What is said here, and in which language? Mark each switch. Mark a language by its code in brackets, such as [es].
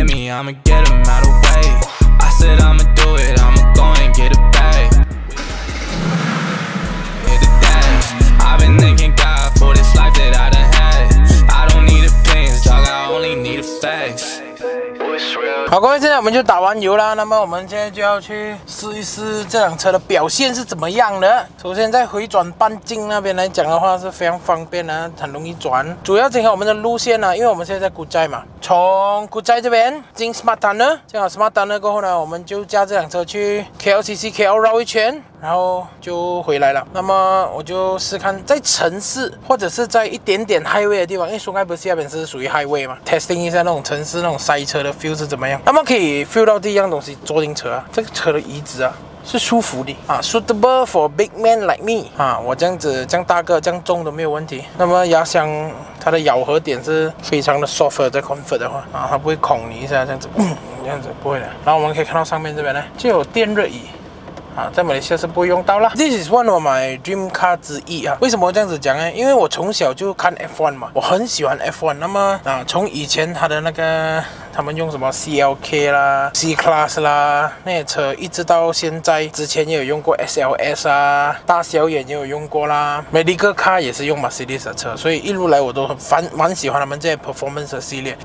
[en] I'ma get him out of way. I said I'ma do it, I'ma go and get it back. Hit the dash. I've been thanking God for this life that I done had. I don't need opinions, dog, I only need a fact. [zh] 好，各位，现在我们就打完油啦。那么我们现在就要去试一试这辆车的表现是怎么样的。首先在回转半径那边来讲的话是非常方便的，很容易转。主要今天我们的路线呢、啊，因为我们现在在古寨嘛，从古寨这边进 Smart Tunnel， 进好 Smart Tunnel 过后呢，我们就驾这辆车去 KLCC KL 绕一圈。然后就回来了。那么我就试看在城市或者是在一点点 highway 的地方，因为松开不是下边是属于 highway 嘛， testing 一下那种城市那种塞车的 feel 是怎么样。那么可以 feel 到第一样东西，坐进车啊，这个车的椅子啊是舒服的啊， [en] suitable for big man like me [zh] 啊，我这样子这样大个这样重都没有问题。那么压箱它的咬合点是非常的 soft 的，在 comfort 的话啊，它不会恐你一下这样子、这样子不会的。然后我们可以看到上面这边呢就有电热椅啊，在马来西亚是不会用到啦。 [en] This is one of my dream car [zh] 之一啊。为什么这样子讲呢？因为我从小就看 F1 嘛，我很喜欢 F1。那么啊，从以前它的那个，他们用什么 CLK 啦、C Class 啦那些车，一直到现在，之前也有用过 SLS 啊，大小眼也有用过啦 ，Medical Car 也是用 Mercedes 的车，所以一路来我都蛮喜欢他们这些 Performance 的系列。